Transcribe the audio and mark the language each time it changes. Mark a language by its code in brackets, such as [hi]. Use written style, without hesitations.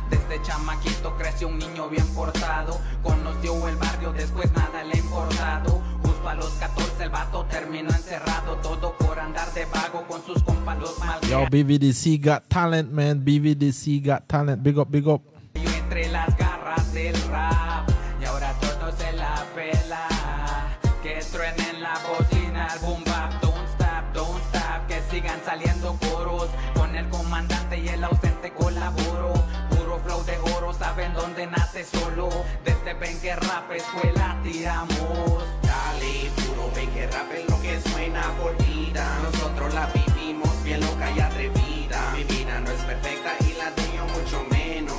[es] Desde chamaquito creció un niño bien portado, conoció el barrio, después nada le ha importado. Justo a los 14 el vato terminó encerrado, todo por andar de vago con sus compas los malcriados. [en] Yo, BVDC got talent, man, BVDC got talent, big up, big up. [es] Yo entre las garras del rap, y ahora todo se la pela. Que truenen la bocina, [en] boom bap, don't stop, don't stop. [es] Que sigan saliendo coros, con el comandante y el ausente colaboro. Flow de oro, saben dónde nace solo. Desde Benke Rap Escuela tiramos. Dale, puro Benke Rap es lo que suena por vida. Nosotros la vivimos bien loca y atrevida. Mi vida no es perfecta y la tengo mucho menos.